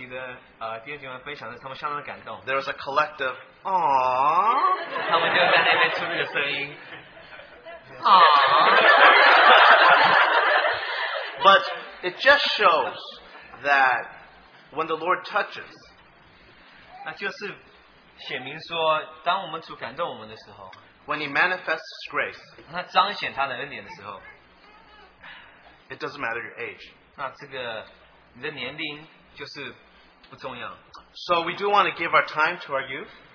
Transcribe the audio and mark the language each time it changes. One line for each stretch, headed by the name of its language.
Chinese: 那就是比较年纪比较大的这些年轻人，看到这些个子比较小的这些5、6年级的弟兄姐妹分享的，他们相当感动。
English: There was a collective aww.
Chinese: 他们就在那边出那个声音。
English: But it just shows that when the Lord touches,
Chinese: 那就是 显明说，当我们主感动我们的时候，
English: when he manifests grace,
Chinese: 他彰显他的恩典的时候，
English: it doesn't matter your age.
Chinese: 那这个你的年龄就是不重要。
English: So we do want to give our time to our youth.